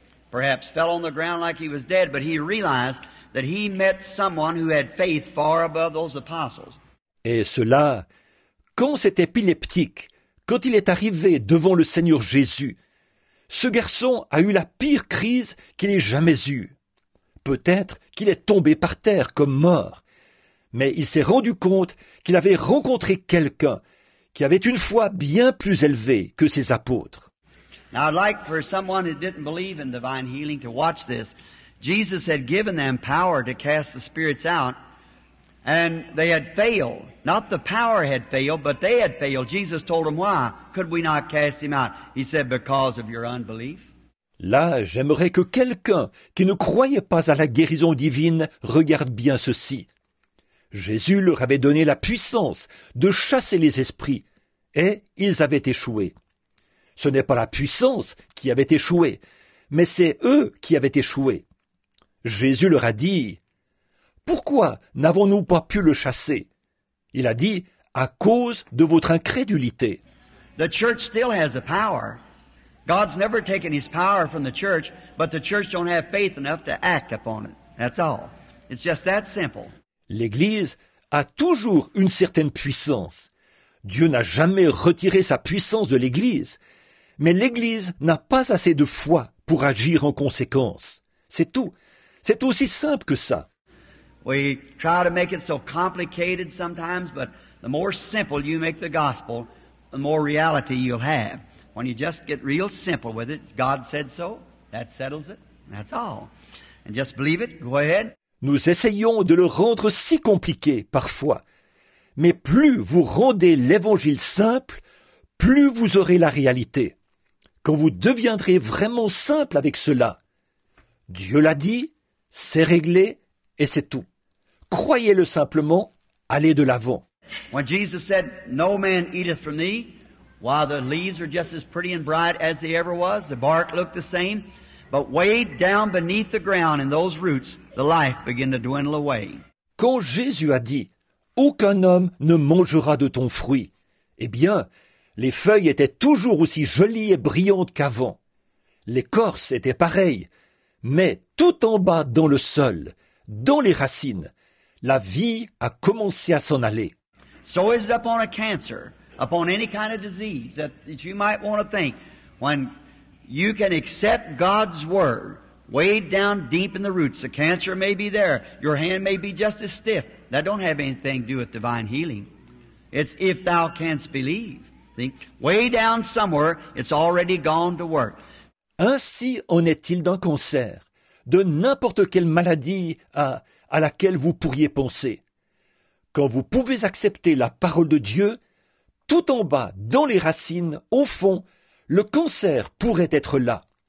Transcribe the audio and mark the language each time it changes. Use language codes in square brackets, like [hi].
[en] Perhaps fell on the ground like he was dead, but he realized that he met someone who had faith far above those apostles. [fr] Et cela, quand cet épileptique, quand il est arrivé devant le Seigneur Jésus, ce garçon a eu la pire crise qu'il ait jamais eue. Peut-être qu'il est tombé par terre comme mort, mais il s'est rendu compte qu'il avait rencontré quelqu'un qui avait une foi bien plus élevée que ses apôtres. [en] Now, I'd like for someone who didn't believe in divine healing to watch this. Jesus had given them power to cast the spirits out, and they had failed. Not the power had failed, but they had failed. Jesus told them, why could we not cast him out? He said, because of your unbelief. [fr] Là, j'aimerais que quelqu'un qui ne croyait pas à la guérison divine regarde bien ceci. Jésus leur avait donné la puissance de chasser les esprits, et ils avaient échoué. Ce n'est pas la puissance qui avait échoué, mais c'est eux qui avaient échoué. Jésus leur a dit, « Pourquoi n'avons-nous pas pu le chasser ?» Il a dit, « À cause de votre incrédulité. » [en] The church still has the power. God's never taken his power from the church, but the church don't have faith enough to act upon it. That's all. It's just that simple. [fr] L'Église a toujours une certaine puissance. Dieu n'a jamais retiré sa puissance de l'Église, mais l'Église n'a pas assez de foi pour agir en conséquence. C'est tout. C'est aussi simple que ça. [en] We try to make it so complicated sometimes, but the more simple you make the gospel, the more reality you'll have. When you just get real simple with it, God said so, that settles it, that's all. And just believe it, go ahead. [fr] Nous essayons de le rendre si compliqué parfois. Mais plus vous rendez l'évangile simple, plus vous aurez la réalité. Quand vous deviendrez vraiment simple avec cela, Dieu l'a dit, c'est réglé et c'est tout. Croyez-le simplement, allez de l'avant. [en] When Jesus said, no man eateth from thee, while the leaves are just as pretty and bright as they ever was, the bark looked the same, but way down beneath the ground in those roots, the life began to dwindle away. [fr] Quand Jésus a dit, aucun homme ne mangera de ton fruit. Eh bien, les feuilles étaient toujours aussi jolies et brillantes qu'avant. L'écorce était pareille, mais tout en bas dans le sol, dans les racines, la vie a commencé à s'en aller. [en] So is it upon a cancer, upon any kind of disease that you might want to think, when you can accept God's word, way down deep in the roots, the cancer may be there, your hand may be just as stiff. That don't have anything to do with divine healing. It's if thou canst believe. Think, way down somewhere, it's already gone to work. [fr] Ainsi en est-il d'un cancer, de n'importe quelle maladie à laquelle vous pourriez penser. Quand vous pouvez accepter la parole de Dieu, tout en bas, dans les racines, au fond, le cancer pourrait être là.